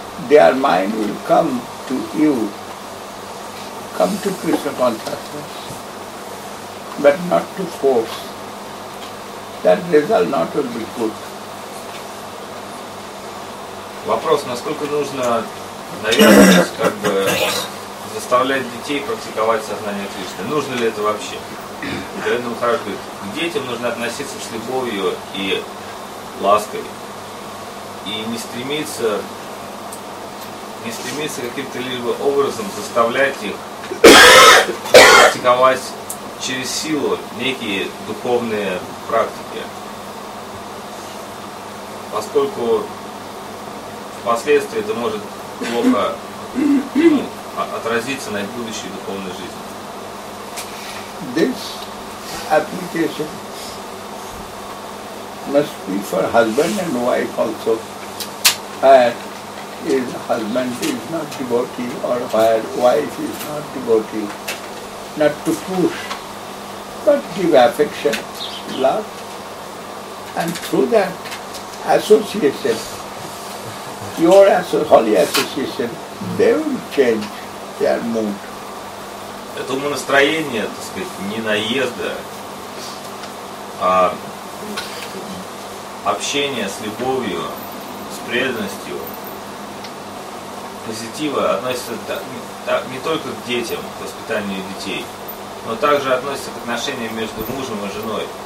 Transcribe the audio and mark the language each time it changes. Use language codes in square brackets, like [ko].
[en] Their mind will come to you, come to Krishna consciousness, but not to force. That result not will be good. [ru] Вопрос: насколько нужно навязывать, как бы заставлять детей практиковать сознание Кришны? Нужно ли это вообще? Гарина Махарадж говорит: к детям нужно относиться с любовью и лаской, и не стремиться каким-то либо образом заставлять их практиковать через силу некие духовные практики. Поскольку впоследствии это может плохо отразиться на их будущей духовной жизни. [en] This application must be for husband and wife also. Is husband is not devotee or wife is not devotee, not to push, but give affection, love, and through that association, your holy association, they will change their mood. [ru] Это умонастроение, так сказать, не наезда, а общение с любовью, с преданностью. Позитива относится не только к детям, к воспитанию детей, но также относится к отношениям между мужем и женой.